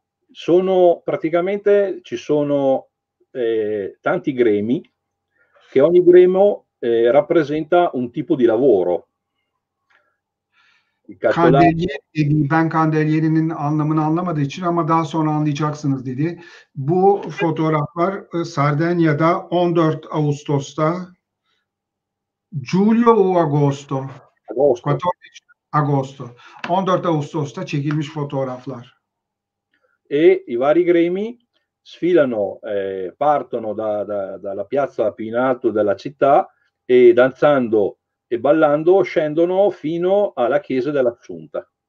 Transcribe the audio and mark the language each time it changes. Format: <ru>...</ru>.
<it>Sono praticamente, ci sono tanti gremi, che ogni gremio rappresenta un tipo di lavoro.</it> <tr>Candelieri dedi, ben candelierinin anlamını anlamadığı için ama daha sonra anlayacaksınız dedi. Bu fotoğraflar Sardegna'da 14 Ağustos'ta</tr> <it>Giulio o Agosto? Agosto. 14 Agosto.</it> <tr>14 Ağustos'ta çekilmiş fotoğraflar.</tr> <it>E i vari gremi sfilano, partono dalla piazza più in alto della città e danzando e ballando scendono fino alla chiesa dell'Assunta.</it>